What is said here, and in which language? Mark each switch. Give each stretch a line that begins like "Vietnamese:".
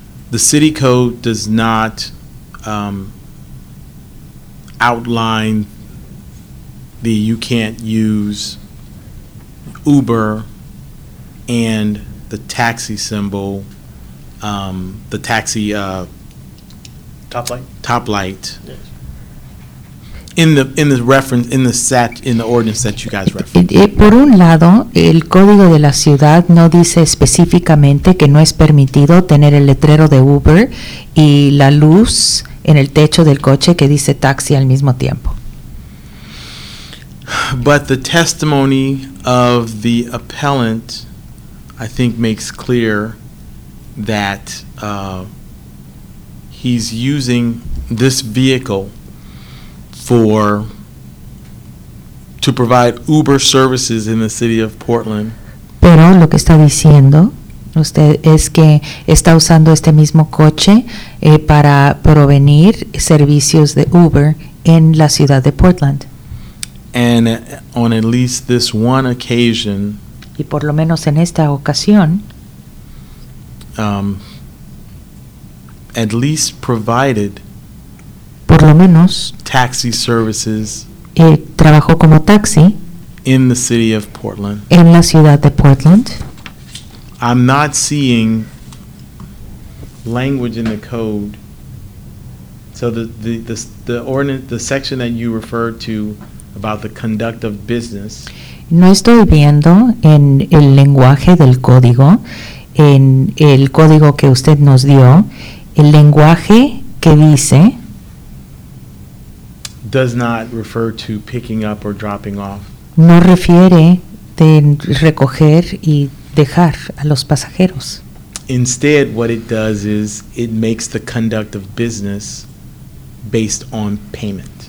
English: the city code does not outline the you can't use Uber and the taxi symbol, the taxi top light. Top light. Yes. In the reference in the set in the ordinance that you guys referenced.
Spanish: Por un lado, el código de la ciudad no dice específicamente que no es permitido tener el letrero de Uber y la luz en el techo del coche que dice taxi al mismo tiempo.
English: But the testimony of the appellant, I think, makes clear that he's using this vehicle to provide Uber services in the city of Portland.
Spanish: Pero lo que está diciendo usted es que está usando este mismo coche para provenir servicios de Uber en la ciudad de Portland.
English: And on at least this one occasion,
Spanish: y por lo menos en esta ocasión,
English: at least provided
Spanish: por lo menos
English: taxi services
Spanish: trabajó como taxi
English: in the city of Portland.
Spanish: En la ciudad de Portland.
English: I'm not seeing language in the code. So the ordinance, the section that you referred to about the conduct of business.
Spanish: No estoy viendo en el lenguaje del código, en el código que usted nos dio, el lenguaje que dice
English: does not refer to picking up or dropping off.
Spanish: No refiere de recoger y dejar a los pasajeros.
English: Instead, what it does is it makes the conduct of business based on payment.